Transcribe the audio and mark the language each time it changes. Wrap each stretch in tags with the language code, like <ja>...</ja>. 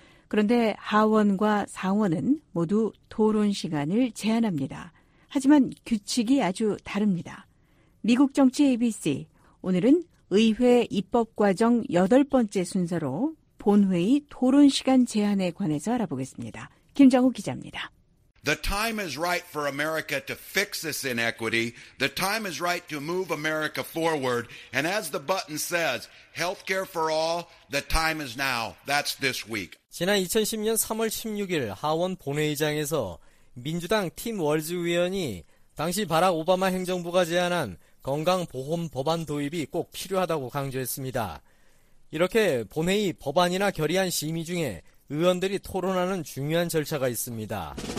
<ko>그런데 하원과 상원은 모두 토론 시간을 제한합니다. 하지만 규칙이 아주 다릅니다. 미국 정치 ABC, 오늘은 의회 입법과정 8번째 순서로 본회의 토론 시간 제한에 관해서 알아보겠습니다. 김정우 기자입니다.</ko> <en>The time is right for America to fix this inequity. The time is right to move America forward. And as the button says, healthcare for all, the time is now. That's this week.</en> <ko>지난 2010년 3월 16일 하원 본회의장에서 민주당 팀 월즈 의원이 당시 바락 오바마 행정부가 제안한 건강보험 법안 도입이 꼭 필요하다고 강조했습니다. 이렇게 본회의 법안이나 결의안 심의 중에 의원들이 토론하는 중요한 절차가 있습니다.</ko>